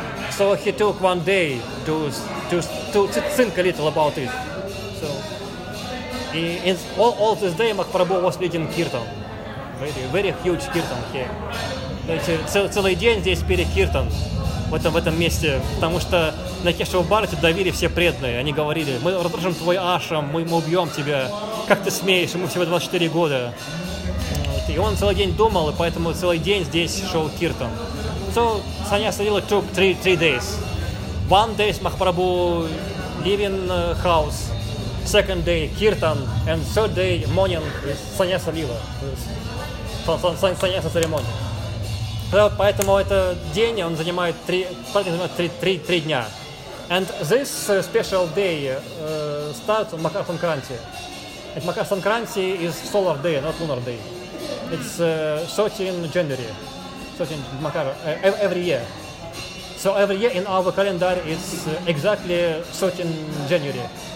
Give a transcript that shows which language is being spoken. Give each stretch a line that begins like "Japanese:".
English: So he took one day to think a little about it. So all this day, Mahaprabhu was leading kirtan. Very, very huge kirtan here.
Russian: Целый день здесь пели киртан в этом месте, потому что на Кешево Бхарати давили все преданные. Они говорили: мы разрушим твой ашрам, мы убьем тебя, как ты смеешь, ему всего 24 года. Вот. И он целый день думал, и поэтому целый день здесь шел киртан.
English: So, sannyas really took three days. One day Махапрабху leaving house, second day киртан, and third day morning sannyas lila.
Russian: Sannyasa церемония. Поэтому этот день он занимает три дня.
English: And this special day starts on Makar Sankranti. And Makar Sankranti is solar day, not lunar day. It's 13 January. 13 Makar, every year. So every year in our calendar it's exactly 13 January.